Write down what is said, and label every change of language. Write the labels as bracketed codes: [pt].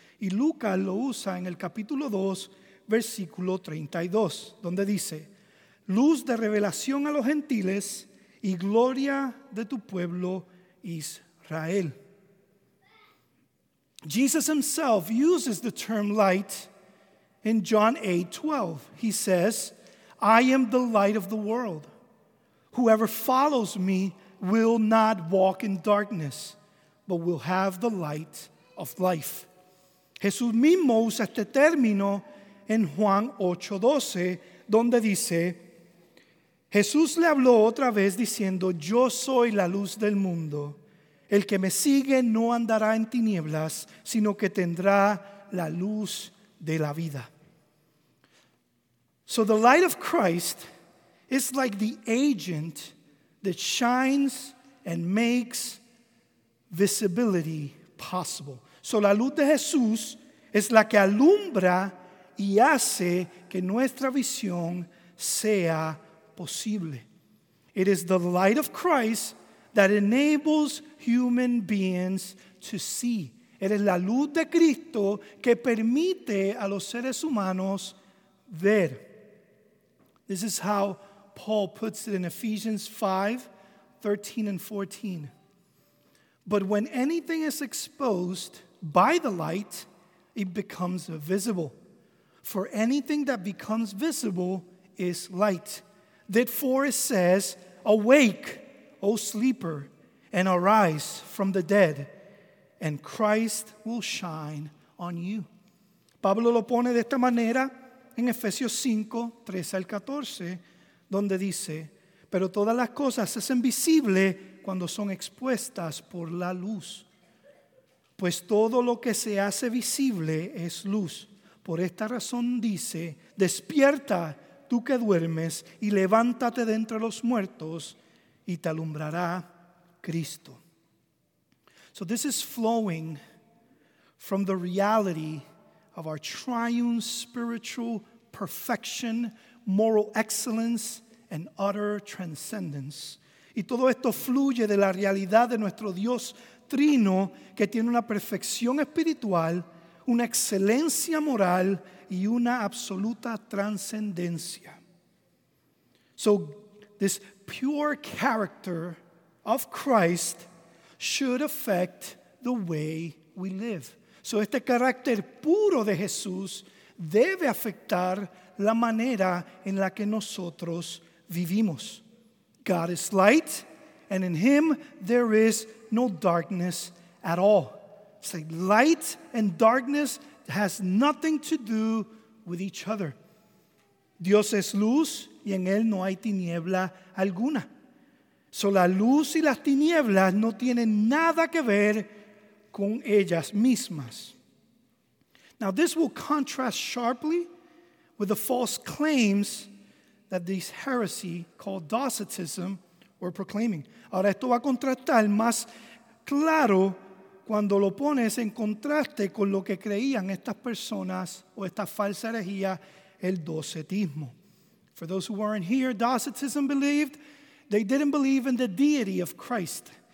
[es] Y Lucas lo usa en el capítulo 2, versículo 32, donde dice, "Luz de revelación a los gentiles y gloria de tu pueblo Israel." [en] Jesus himself uses the term light in John 8:12. He says, I am the light of the world. Whoever follows me will not walk in darkness, but will have the light of life. [es] Jesús mismo usa este término en Juan 8:12, donde dice, Jesús le habló otra vez diciendo, yo soy la luz del mundo. El que me sigue no andará en tinieblas, sino que tendrá la luz de la vida. [en] So the light of Christ is like the agent that shines and makes visibility possible. [es] So la luz de Jesús es la que alumbra y hace que nuestra visión sea posible. [en] It is the light of Christ that enables human beings to see. [es] Eres la luz de Cristo que permite a los seres humanos ver. [en] This is how Paul puts it in Ephesians 5:13-14. But when anything is exposed by the light, it becomes visible. For anything that becomes visible is light. Therefore it says, awake, O sleeper, and arise from the dead, and Christ will shine on you. [es] Pablo lo pone de esta manera en Efesios 5:13-14, donde dice, pero todas las cosas se hacen visibles cuando son expuestas por la luz. Pues todo lo que se hace visible es luz. Por esta razón dice, despierta tú que duermes y levántate de entre los muertos y te alumbrará Cristo. [en] So this is flowing from the reality of our triune spiritual perfection, moral excellence, and utter transcendence. [es] Y todo esto fluye de la realidad de nuestro Dios Trino, que tiene una perfección espiritual, una excelencia moral, y una absoluta transcendencia. [en] So this pure character of Christ should affect the way we live. [es] So este carácter puro de Jesús debe afectar la manera en la que nosotros vivimos. [en] God is light, and in him there is no darkness at all. It's like light and darkness has nothing to do with each other. [es] Dios es luz, y en él no hay tiniebla alguna. So la luz y las tinieblas no tienen nada que ver con ellas mismas. [en] Now this will contrast sharply with the false claims that this heresy called Docetism were proclaiming. [es] Ahora esto va a contrastar más claro cuando lo pones en contraste con lo que creían estas personas o esta falsa herejía, el docetismo. [en] For those who weren't here, Docetism believed, they didn't believe in the deity of Christ.